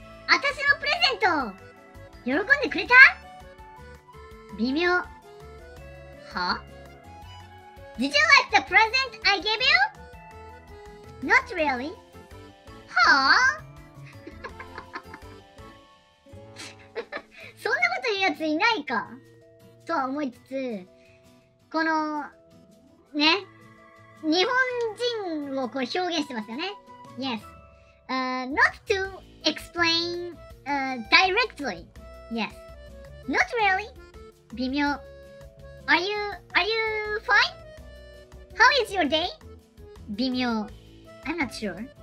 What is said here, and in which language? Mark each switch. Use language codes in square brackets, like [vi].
[ja] あたしのプレゼント喜んでくれた？微妙。は？ [en] Did you like the present I gave you? Not really! はぁ？ [ja] そんなこと言うやついないかとは思いつつ、このね、日本人をこう表現してますよね。 [en] Yes、not to explain、directly. Yes. Not really. 微妙。Are you fine? How is your day? 微妙。I'm not sure.